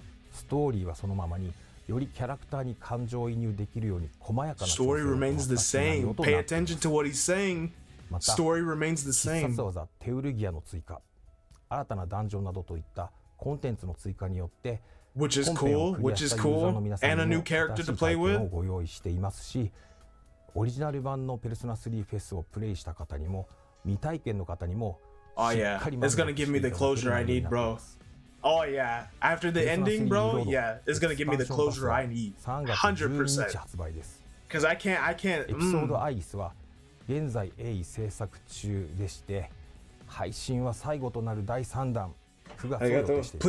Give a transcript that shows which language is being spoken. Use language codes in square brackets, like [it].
[ja] ストーリーはそのままに、よりキャラクターに感情移入できるように細やかな調整を行った内容となっています。 [en] Pay attention to what he's saying. Story remains the same. [ja] また、必殺技テウルギアの追加、新たなダンジョンなどといったコンテンツの追加によって、 [en] Which is cool, which is cool, and a new character to play with. [ja] ご用意していますし、オリジナル版のペルソナ3フェスをプレイした方にも、未体験の方にも、 [en] Oh yeah, it's gonna give me the closure I need, bro. Oh yeah, after the ending, bro, yeah, it's gonna give me the closure I need. 100%. Because I can't. [ja] エピソードアイギスは現在鋭意制作中でして、配信は最後となる第3弾、9月を予定しています。